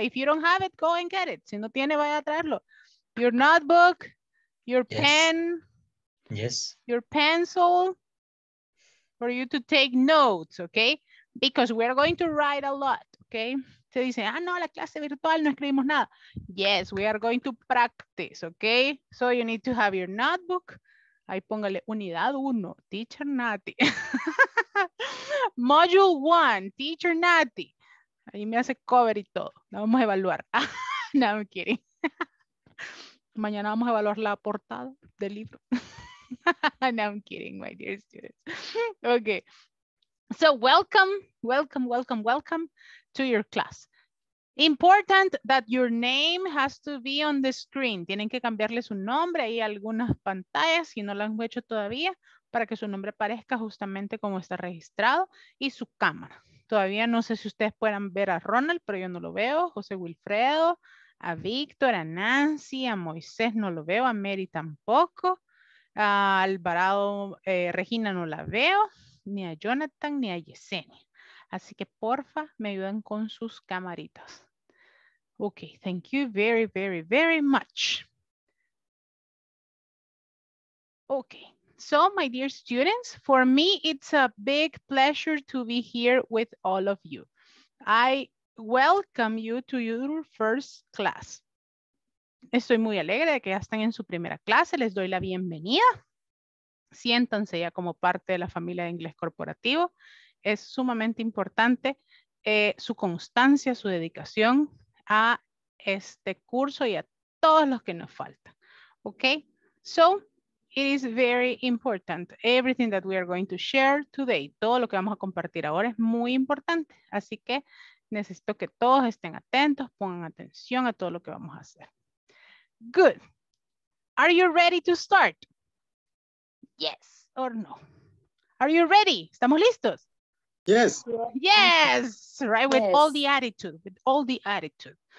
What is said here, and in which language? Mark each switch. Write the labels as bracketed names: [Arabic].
[English] If you don't have it, go and get it. [Spanish] Si no tiene, vaya a traerlo. [English] Your notebook. Your pen. Yes. Your pencil. For you to take notes. ¿Ok? Because we are going to write a lot, okay? [Spanish] Se dice, ah, no, la clase virtual, no escribimos nada. [English] Yes, we are going to practice, okay? So you need to have your notebook. [Spanish] Ahí póngale unidad 1, teacher Nati. Module 1, teacher Nati. Ahí me hace cover y todo. La vamos a evaluar. [English] No, I'm kidding. [Spanish] Mañana vamos a evaluar la portada del libro. [English] No, I'm kidding, my dear students. Okay. So welcome, welcome, welcome, welcome to your class. Important that your name has to be on the screen. [Spanish] Tienen que cambiarle su nombre ahí a algunas pantallas si no lo han hecho todavía para que su nombre aparezca justamente como está registrado y su cámara. Todavía no sé si ustedes puedan ver a Ronald, pero yo no lo veo. José Wilfredo, a Víctor, a Nancy, a Moisés no lo veo, a Mary tampoco. A Alvarado, Regina no la veo. Ni a Jonathan ni a Yesenia. Así que porfa, me ayudan con sus camaritas. [English] Okay, thank you very, very, very much. Okay, so my dear students, for me, it's a big pleasure to be here with all of you. I welcome you to your first class. [Spanish] Estoy muy alegre de que ya están en su primera clase. Les doy la bienvenida. Siéntanse ya como parte de la familia de Inglés Corporativo. Es sumamente importante su constancia, su dedicación a este curso y a todos los que nos faltan. Okay? [English] So, it is very important. Everything that we are going to share today, [Spanish] todo lo que vamos a compartir ahora es muy importante. Así que necesito que todos estén atentos, pongan atención a todo lo que vamos a hacer. [English] Good. Are you ready to start? Yes or no? Are you ready? [Spanish] ¿Estamos listos? [English] Yes. Yes, right, with yes. All the attitude, with all the attitude.